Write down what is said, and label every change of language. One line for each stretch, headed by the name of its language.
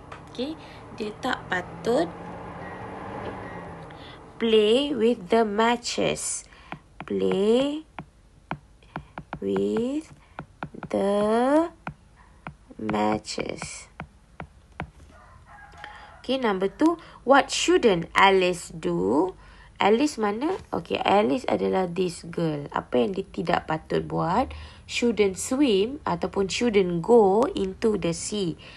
English: Okay,
Malay: dia tak patut
English: play with the matches. Play with the matches. Okay, number 2, what shouldn't Alice do?
Malay: Alice mana? Okay, Alice adalah
English: this girl.
Malay: Apa yang dia tidak patut buat?
English: Shouldn't swim ataupun shouldn't go into the sea.